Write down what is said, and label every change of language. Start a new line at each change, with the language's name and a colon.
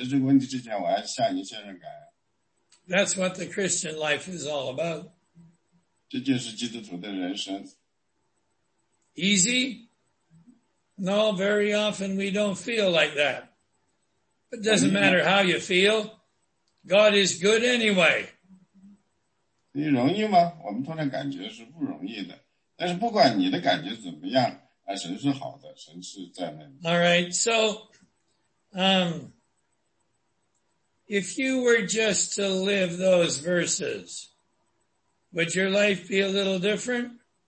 Chinese: 现在我跟您说，我们来到主的面前说，主啊，我今天有很大的麻烦，我不知道怎么解决，我知道您会帮我解决这个问题，但你帮我解决这个问题之前，我要向您献上感恩。
English: That's what the Christian life is all about.
Chinese: 这就是基督徒的人生。
English: Easy? No, very often we don't feel like that. It doesn't matter how you feel. God is good anyway.
Chinese: 你容易吗? 我们通常感觉是不容易的。但是不管你的感觉怎么样, 神是好的, 神是在那里。
English: All right, so, if you were just to live those verses, would your life be a little different?